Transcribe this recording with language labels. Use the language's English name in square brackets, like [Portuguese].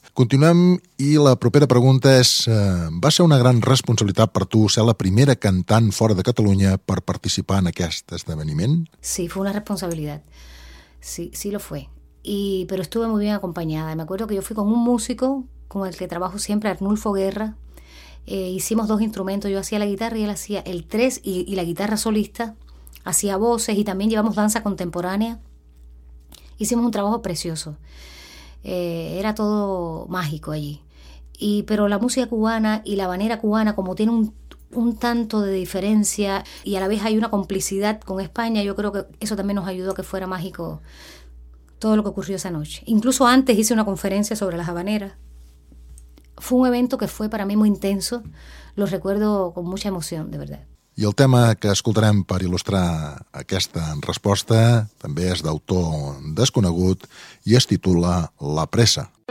[Catalan] Continuem, i la propera pregunta és: va ser una gran responsabilitat per tu ser la primera cantant fora de Catalunya per participar en aquest esdeveniment? [Spanish] Sí, fue una responsabilidad. Sí, sí lo fue. Pero estuve muy bien acompañada. Me acuerdo que yo fui con un músico con el que trabajo siempre, Arnulfo Guerra. Hicimos dos instrumentos, yo hacía la guitarra y él hacía el tres y la guitarra solista. Hacía voces y también llevamos danza contemporánea. Hicimos un trabajo precioso. Era todo mágico allí. Pero la música cubana y la habanera cubana, como tiene un tanto de diferencia y a la vez hay una complicidad con España. Yo creo que eso también nos ayudó a que fuera mágico todo lo que ocurrió esa noche. Incluso antes hice una conferencia sobre las habaneras. Fue un evento que fue para mí muy intenso. Lo recuerdo con mucha emoción, de verdad. [Catalan] I el tema que escoltarem per il·lustrar aquesta resposta també és d'autor desconegut i es titula La pressa.